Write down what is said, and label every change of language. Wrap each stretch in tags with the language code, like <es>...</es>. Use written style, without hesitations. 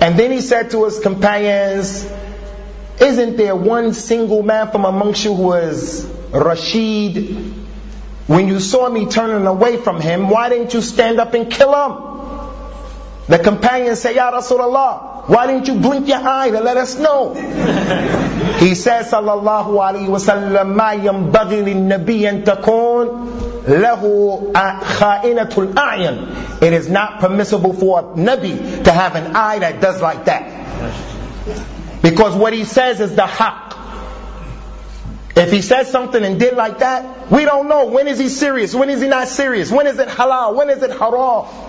<en>And then he said to his companions, isn't there one single man from amongst you who is Rashid? When you saw me turning away from him, why didn't you stand up and kill him? The companions say, Ya Rasulullah, why didn't you blink your eye to let us know? He says,</en> <ar>Sallallahu Alaihi Wasallam, ما ينبغي للنبي أن تكون له خائنة الأعين.</ar> <en>It is not permissible for a Nabi to have an eye that does like that. Because what he says is the haq. If he says something and did like that, we don't know. When is he serious? When is he not serious? When is it halal? When is it haram?</en>